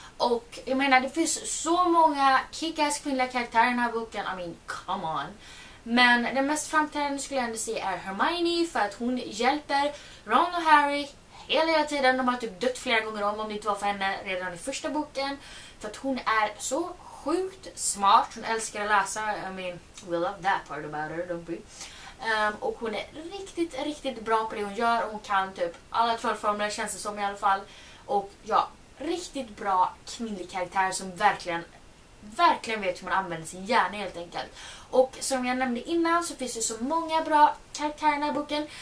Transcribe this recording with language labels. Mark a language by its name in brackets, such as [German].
[Swedish] Och jag menar, det finns så många kick-ass kvinnliga karaktärer i den här boken. [English] I mean, come on. [Swedish] Men den mest framträdande skulle jag ändå säga är Hermione, för att hon hjälper Ron och Harry hela tiden. De har typ dött flera gånger om det inte var för henne redan i första boken. För att hon är så sjukt smart. Hon älskar att läsa. [English] I mean, we love that part about her, don't we? [Swedish] Och hon är riktigt, riktigt bra på det hon gör. Hon kan typ alla trollformler, känns det som i alla fall. Och ja, riktigt bra kvinnlig karaktär som verkligen, verkligen vet hur man använder sin hjärna helt enkelt. Och som jag nämnde innan så finns det så många bra karaktärer i den här boken.